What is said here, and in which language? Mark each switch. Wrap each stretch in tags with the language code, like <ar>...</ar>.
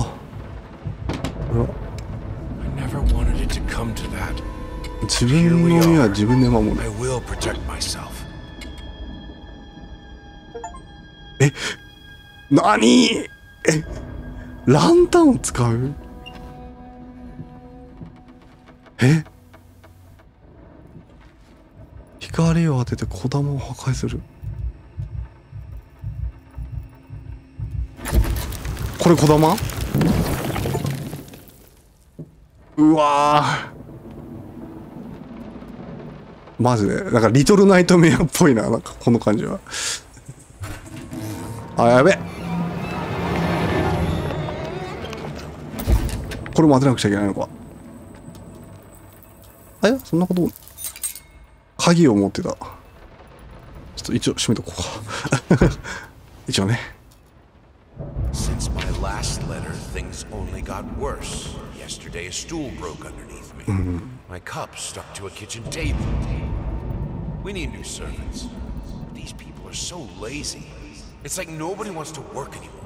<en>I never wanted it to come to that.</en> <ja>自分の身は自分で守る。</ja> <en>I will protect myself.</en> <ja>え、何？え、ランタンを使う？え？光を当てて小玉を破壊する。これ小玉？うわあ。マジで、なんかリトルナイトメアっぽいな、なんかこの感じは。あ、やべ。これも当てなくちゃいけないのか。あ、いや、そんなことも。鍵を持ってた。ちょっと一応閉めとこうか。一応ね。</ja> <en>Since my last letter, things only got worse. Yesterday, a stool broke underneath me. My cup stuck to a kitchen table. We need new servants. These people are so lazy. It's like nobody wants to work anymore.</en>